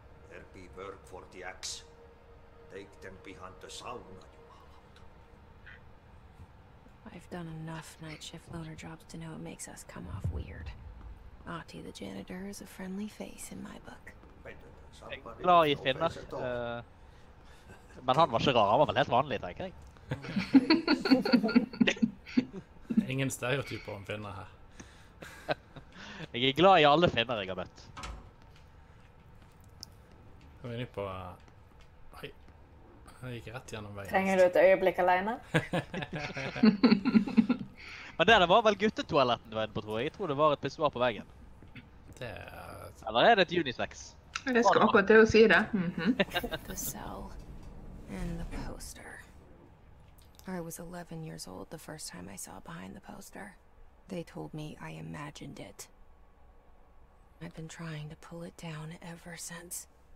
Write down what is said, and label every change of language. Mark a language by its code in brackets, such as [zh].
[en] There be work for the axe. Take them behind the sauna, you mallard. I've done enough night shift loner jobs to know it makes us come off weird. Ahti, the janitor, is a friendly face in my book. [no] Jeg er glad i finner, men han var ikke rar, han var vel helt vanlig, tenker jeg. Ingen stereotyper om finner her. Jeg er glad i alle finner jeg har møtt. Jeg er inne på... Oi, jeg gikk rett gjennom veien. Trenger du et øyeblikk alene? Men det var vel guttetoaletten du var inne på, tror jeg. Jeg tror det var et pissoar på veggen. Det... Eller er det et unisex? Jeg skal akkurat til å si det. [en] The cell and the poster. I was 11 years old the first time I saw behind the poster. They told me I imagined it. I've been trying to pull it down ever since.